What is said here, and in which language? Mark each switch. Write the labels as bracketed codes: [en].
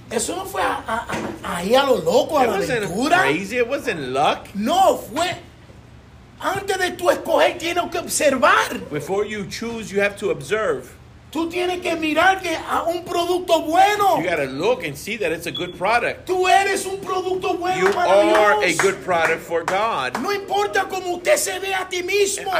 [es] Eso no fue ahí a lo loco, a la aventura. [en] It wasn't crazy. It wasn't luck. [es] No, fue. Antes de tú escoger, tienes que observar. [en] Before you choose, you have to observe. [es] Tú tienes que mirar que a un producto bueno. [en] You gotta look and see that it's a good product. [es] Tú eres un producto bueno [en] you [es] para Dios. [en] You are a good product for God. [es] No importa cómo usted se ve a ti mismo.